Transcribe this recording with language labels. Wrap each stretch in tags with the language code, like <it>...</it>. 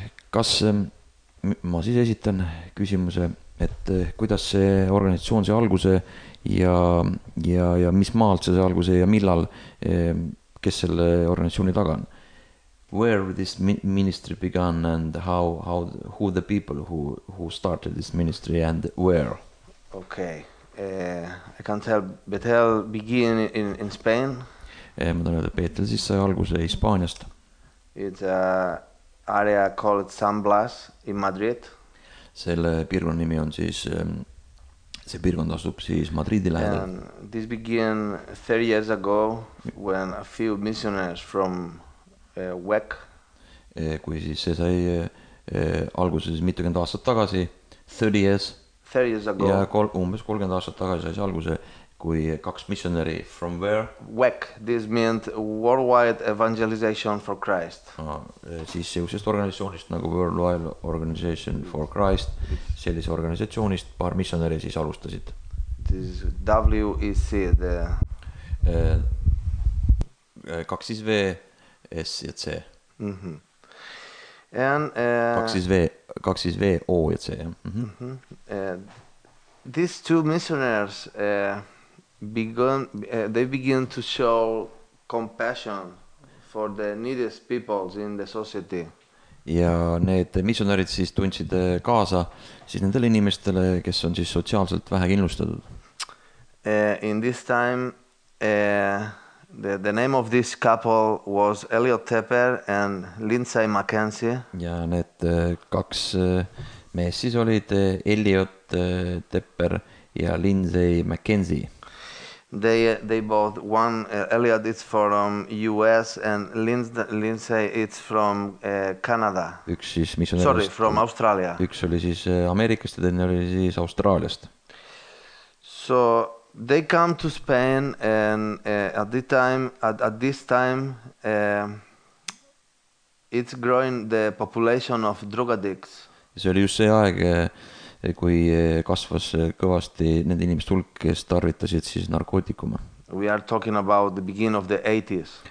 <et>Kas ma siis esitan küsimuse, et kuidas see organisatsioon see alguse ja mis maalt see alguse ja millal, kes selle organisatsiooni taga on?</et> <en>Where this ministry began and how who the people who started this ministry and where? Okay, I can tell Bethel begin in Spain.</en> <et>Ma tõen, et Bethel siis sai alguse Hispaaniast.</et> <en>It's a area called San Blas in Madrid.</en> <et>Selle piirkond nimi on siis, see piirkond asub siis Madridi lähedal.</et> <en>And this began 30 years ago when a few missionaries from WEC.</en> <et>Kui siis see sai alguses mitukend aastat tagasi,</et> <en>30 years ago.</en> <et>Ja umbes 30 aastat tagasi sai see alguse, kui kaks missionäri</et> <en>from where? WEC, this meant Worldwide Evangelization for Christ.</en> <et>Siis sellisest organisatsioonist nagu Worldwide Organization for Christ, sellise organisatsioonist paar missionäri siis alustasid.</et> <en>This is WEC, the...</en> <et>Kaks siis V, S ja C. Mm-hmm. And, kaks siis V, O ja C. Mm-hmm.</et> <en>These two missionaries begin to show compassion for the neediest peoples in the society.</en> <et>Ja need missionärid siis tundsid kaasa siis nendele inimestele, kes on siis sotsiaalselt vähe kindlustatud.</et> <en>In this time the name of this couple was Elliot Tepper and Lindsay McKenzie.</en> <et>Ja need kaks mees siis olid Elliot Tepper ja Lindsay McKenzie.</et> <en>They both one Elliot is from US and Lindsay it's from Canada.</en> <et>Üks siis mis on</et> <en>Sorry, from Australia.</en> <et>Üks oli siis Ameerikast ja teine oli siis Austraaliast.</et> <en>So they come to Spain and at this time it's growing the population of drug addicts.</en> <et>See oli just see aeg kui kasvas kõvasti need inimest hulk, kes tarvitasid siis narkootikuma.</et> <en>We are talking about the beginning of the 80s.</en>